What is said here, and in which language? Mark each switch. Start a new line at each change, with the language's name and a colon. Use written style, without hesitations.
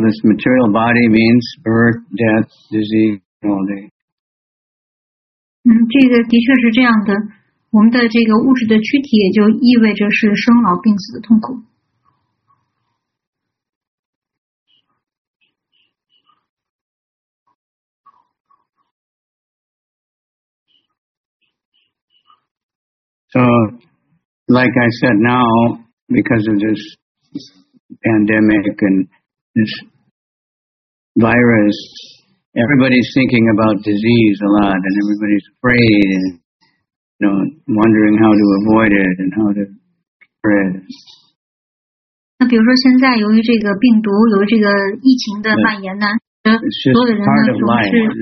English: This material body means birth, death, disease, and old age.
Chinese: 这个的确是这样的。我们的这个物质的躯体也就意味着是生老病死的痛苦。
English: So, like I said, now because of this pandemic and this virus, everybody's thinking about disease a lot, and everybody's afraid and, you know, wondering how to avoid it and how to cure it.
Chinese: 那比如说现在由于这个病毒，由于这个疫情的蔓延呢，所有的人呢总是。